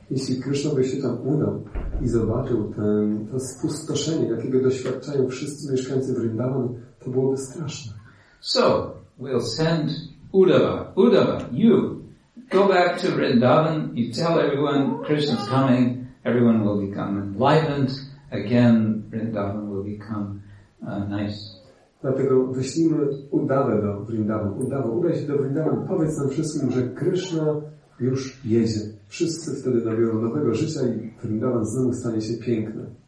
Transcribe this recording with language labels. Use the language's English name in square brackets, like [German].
[Polish] Jeśli Krishna by się tam udał i zobaczył to spustoszenie, jakiego doświadczają wszyscy mieszkańcy Vrindavan, to byłoby straszne. [English] So, we'll send Uddhava. Uddhava, you, go back to Vrindavan, you tell everyone Krishna's coming, everyone will become enlightened, again Vrindavan will become nice. [Polish] Dlatego wyślijmy Uddhavę do Vrindavan. Uddhava, udaj się do Vrindavan. Powiedz nam wszystkim, że Krishna już jedzie. Wszyscy wtedy nabiorą nowego życia i Vrindavan znowu stanie się piękny.